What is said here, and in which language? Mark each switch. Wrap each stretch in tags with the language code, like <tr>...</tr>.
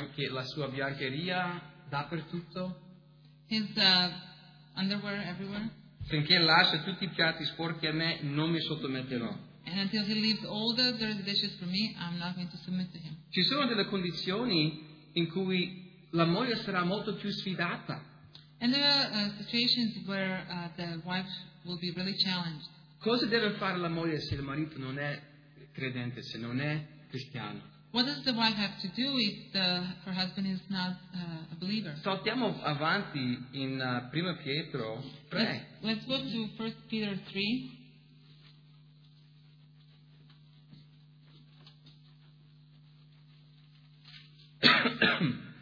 <it>la sua biancheria dappertutto,</it> <en>his underwear everywhere,</en> <it>finché lascia tutti i piatti sporchi a me non mi sottometterò.</it> <en>And until he leaves all the dirty dishes for me, I'm not going to submit to him.</en> <it>Ci sono delle condizioni in cui la moglie sarà molto più sfidata.</it> <en>And there are situations where the wife will be really challenged.</en> <it>Cosa deve fare la moglie se il marito non è credente, se non è cristiano?</it> <en>What does the wife have to do if her husband is not a believer?</en> <it>Saltiamo avanti in Prima Pietro 3.</it> <en>Let's go to 1 Peter 3. Mm-hmm.</en>